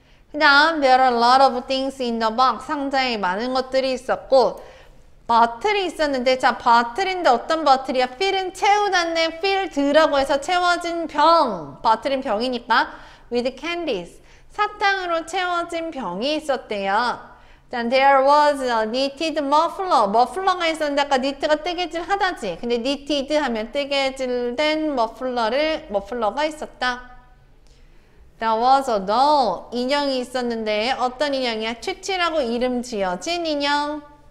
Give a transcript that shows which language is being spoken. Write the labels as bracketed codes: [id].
[ko] 그 다음, [en] There are a lot of things in the box. [ko] 상자에 많은 것들이 있었고. 버틀이 있었는데, 자, 버틀인데 어떤 버틀이야? 필은 채우다네, 필드라고 해서 채워진 병. 버틀은 병이니까. With candies. 사탕으로 채워진 병이 있었대요. [en] 자, there was a knitted muffler. [ko] 머플러가 있었는데, 아까 니트가 뜨개질 하다지. 근데 knitted 하면 뜨개질된 머플러가 있었다. [en] There was a doll. [ko] 인형이 있었는데, 어떤 인형이야? 츄츄라고 이름 지어진 인형.